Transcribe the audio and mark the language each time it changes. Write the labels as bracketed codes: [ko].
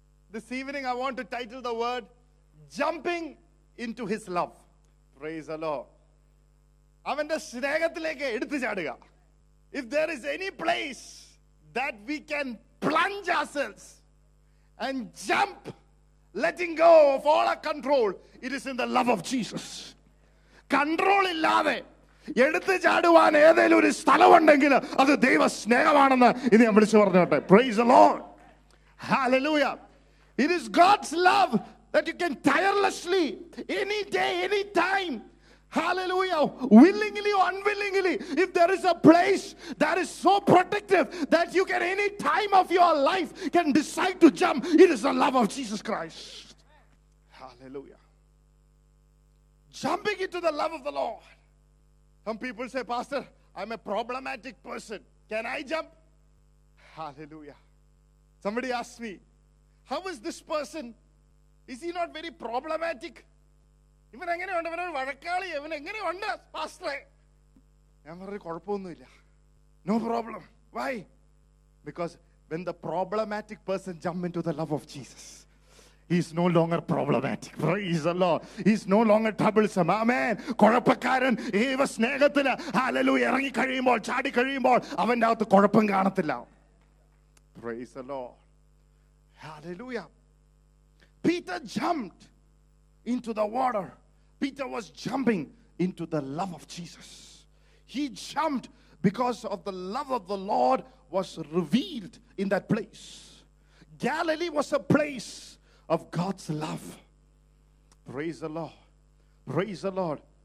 [en] This evening I want to title the word, "Jumping into His Love." Praise the Lord. [ml] അവന്റെ സ്നേഹത്തിലേക്ക് എടുത്തു ചാടുക. [en] If there is any place that we can plunge ourselves and jump, letting go of all our control, it is in the love of Jesus. [ml] Control ഇല്ലാതെ എടുത്തു ചാടുവാൻ ഏതെങ്കിലും ഒരു സ്ഥലമുണ്ടെങ്കിൽ അത് ദൈവ സ്നേഹമാണെന്ന് ഇനി ഞാൻ വിളിച്ചു പറഞ്ഞോട്ടെ. [en] Praise the Lord. Hallelujah. It is God's love that you can tirelessly any day any time. Hallelujah. Willingly or unwillingly, if there is a place that is so protective that you can any time of your life can decide to jump, it is the love of Jesus Christ. Hallelujah. Jumping into the love of the Lord. Some people say, "Pastor, I'm a problematic person. Can I jump?" Hallelujah. Somebody asked me, "How is this person? Is he not very problematic? [ml] ഇവൻ എങ്ങനെയുണ്ട്? ഇവനൊരു വഴക്കാളി. ഇവൻ എങ്ങനെയുണ്ട് പാസ്റ്ററേ?" ഞാൻ പറഞ്ഞു, "കുഴപ്പമൊന്നുമില്ല. [en] No problem. Why? Because when the problematic person jump into the love of Jesus, he is no longer problematic. Praise the Lord. He is no longer troublesome. [ml] ആമേൻ. കുഴപ്പക്കാരൻ ഏവ സ്നേഹത്തിൽ ഹല്ലേലൂയ ഇറങ്ങി കഴിയുമ്പോൾ, ചാടി കഴിയുമ്പോൾ അവൻ്റെ അകത്ത് കുഴപ്പം കാണത്തില്ല. [en] Praise the Lord. [ml] Hallelujah. [en] Peter jumped into the water. Peter was jumping into the love of Jesus. He jumped because of the love of the Lord was revealed in that place. Galilee was a place of God's love. Praise the Lord. Praise the Lord.